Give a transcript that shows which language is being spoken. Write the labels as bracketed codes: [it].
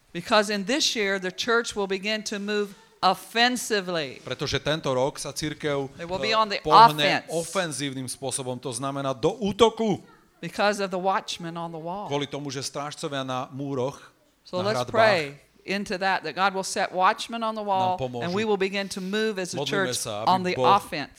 [en] Because in this year the church will begin to move offensively. [sk] Pretože tento rok sa cirkev pohne ofenzívnym spôsobom, to znamená do útoku. [en] Because of the watchmen on the wall. [sk] Kvôli tomu, že strážcovia na múroch, [en] so let's pray into that God will set watchmen on the wall and we will begin to move as a church on the offense.